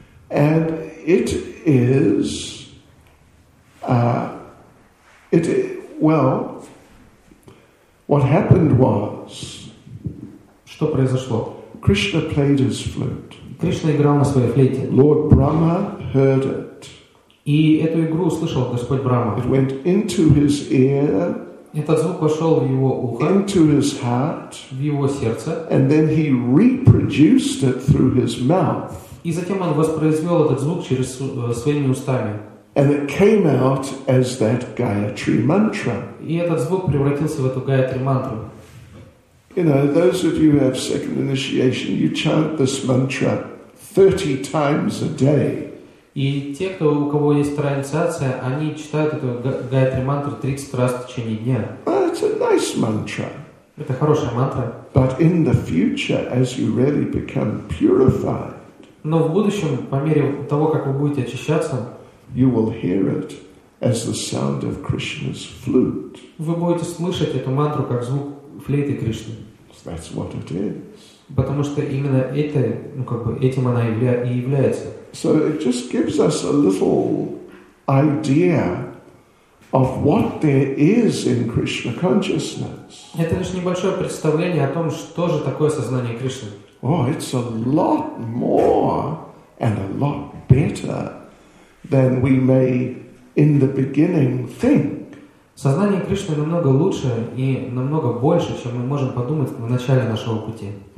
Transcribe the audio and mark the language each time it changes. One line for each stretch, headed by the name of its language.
English: And it is, what happened was.
Russian: Что произошло?
English: Krishna played his flute.
Russian: Кришна играл на своей флейте.
English: Lord Brahma heard it.
Russian: И эту игру услышал Господь Брахма.
English: It went into his ear.
Russian: Этот звук вошел в его ухо.
English: Into his heart.
Russian: В его сердце.
English: And then he reproduced it through his mouth.
Russian: И затем он воспроизвел этот звук через своими устами.
English: And it came out as that Gayatri mantra.
Russian: И этот звук превратился в эту Гаятри мантру.
English: You know, those of you who have second initiation, you chant this mantra 30 times a day.
Russian: И те, кто у кого есть вторая инициация, они читают эту Гаятри мантру 30 раз в течение дня.
English: Well, it's a nice mantra.
Russian: Это хорошая мантра.
English: But in the future, as you really become purified,
Russian: но в будущем, по мере того, как вы будете очищаться,
English: you will hear it as the sound of Krishna's flute.
Russian: Вы будете слышать эту мантру как звук флейты Кришны.
English: So that's what it is.
Russian: Потому что именно это, ну как бы этим она и является.
English: So it just gives us a little idea of what there is in Krishna consciousness.
Russian: Это лишь небольшое представление о том, что же такое сознание Кришны.
English: Oh, it's a lot more and a lot better than we may in the beginning think.
Russian: Сознание Кришны намного лучше и намного больше, чем мы можем подумать в начале нашего пути.